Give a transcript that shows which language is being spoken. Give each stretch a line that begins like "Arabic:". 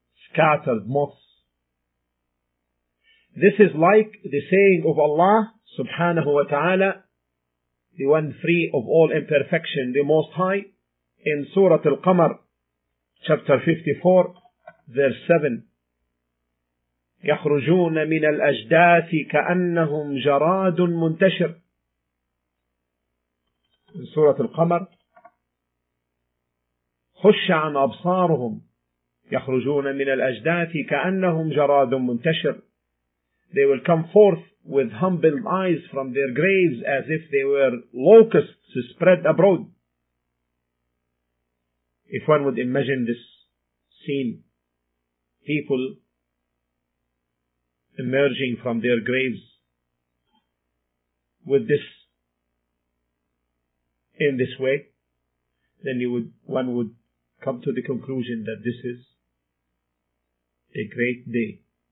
English: Scattered moths. This is like the saying of Allah subhanahu wa ta'ala, the one free of all imperfection, the Most High, in Surah Al-Qamar, chapter 54, verse 7.
Arabic: يخرجون من الأجداث كأنهم جراد منتشر.
English: In Surah Al-Qamar,
Arabic: خش عن أبصارهم يخرجون من الأجداث كأنهم جراد منتشر.
English: They will come forth with humbled eyes from their graves as if they were locusts spread abroad. If one would imagine this scene, people emerging from their graves with this, in this way, then one would come to the conclusion that this is a great day.